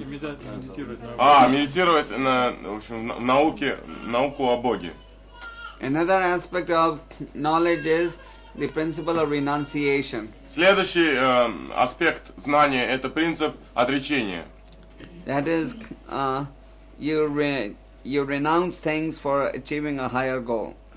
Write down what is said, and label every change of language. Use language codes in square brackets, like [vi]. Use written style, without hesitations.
[ru] Медитировать на, в общем, науке, науку о Боге. [en] Another aspect of knowledge is the principle of renunciation. [ru] Следующий аспект знания – это принцип отречения. [en] That is, you renounce things for achieving a higher goal.